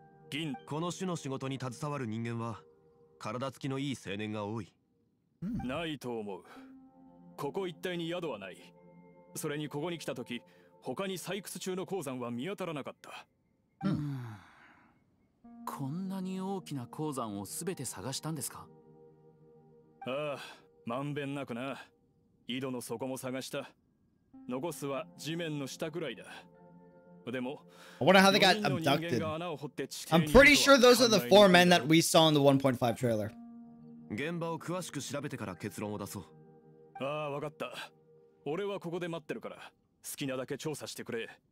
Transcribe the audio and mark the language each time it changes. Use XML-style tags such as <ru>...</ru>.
<ja>銀、この種の仕事に携わる人間は体つきのいい青年が多い。ないと思う。ここ一帯に宿はない。それにここに来た時、他に採掘中の鉱山は見当たらなかった。こんなに大きな鉱山を全て探したんですか？ああ、まんべんなくな。井戸の底も探した。残すは地面の下くらいだ。でも、</ja> <en>I wonder how they got abducted. I'm pretty sure those are the four men that we saw in the 1.5 trailer.</en> <ja>現場を詳しく調べてから結論を出そう。ああ、わかった。俺はここで待ってるから、好きなだけ調査してくれ。</ja>